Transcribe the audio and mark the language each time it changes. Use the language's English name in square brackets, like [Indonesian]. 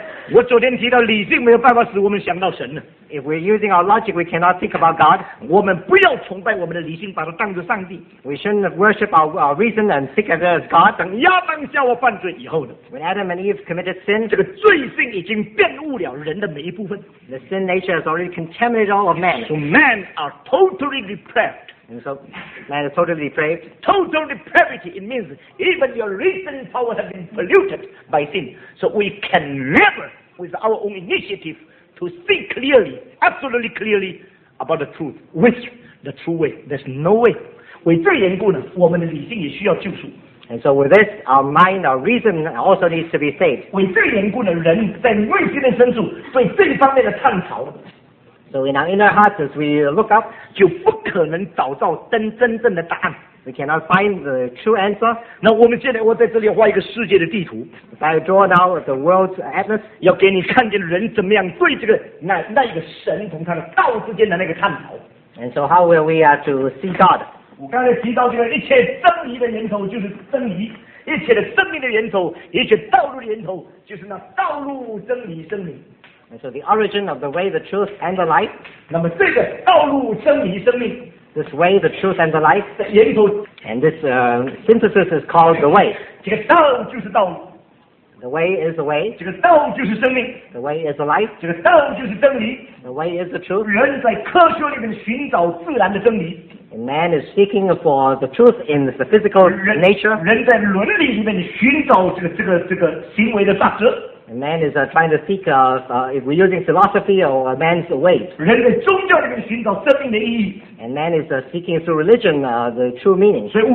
[Chinese] 我昨天提到理性没有办法使我们想到神呢。 [English] If we're using our logic, we cannot think about God. [Chinese] 我们不要崇拜我们的理性，把它当作上帝。 [English] We shouldn't worship our reason and think of it as God. [Chinese] 等亚当夏娃犯罪以后呢 [English] ？When Adam and Eve committed sin, [Chinese] 这个罪性已经玷污了人的每一部分。 [English] The sin nature has already contaminated all of man. So men are totally depraved. And so man is totally depraved. Total depravity. It means even your reason power has been polluted by sin. So we can never. With our own initiative to see clearly, absolutely clearly about the truth, which the true way. There's no way. [Chinese] 为这缘故呢，我们的理性也需要救赎。 [English] And so with this, our mind, our reason also needs to be saved. [Chinese] 为这缘故呢，人在内心的深处对这方面的探讨。 [English] So in our inner hearts, as we look up, [Chinese] 就不可能找到真正的答案。 [English] We cannot find the true answer. [Chinese] 那我们现在我在这里画一个世界的地图。 [English] If I draw now the world's atlas, [Chinese] 要给你看见人怎么样对这个那一个神同他的道之间的那个探讨。 [English] And so how will we are to see God? [Chinese] 我刚才提到这个一切真理的源头就是真理，一切的生命的源头，一切道路的源头就是那道路真理真理。 [English] And so the origin of the way, the truth, and the life. [Chinese] 那么这个道路真理生命。 [English] This way, the truth, and the life. [Chinese] 源头 [English] And this synthesis is called the way. [Chinese] 这个道就是道路 [English] The way is the way. [Chinese] 这个道就是生命 [English] The way is the life. [Chinese] 这个道就是真理 [English] The way is the truth. [Chinese] 人在科学里面寻找自然的真理 [English] And man is seeking for the truth in the physical nature. [Chinese] 人在伦理里面寻找这个行为的法则 [English] And man is trying to seek, if we're using philosophy or a man's ways. And man is seeking through religion the true meaning.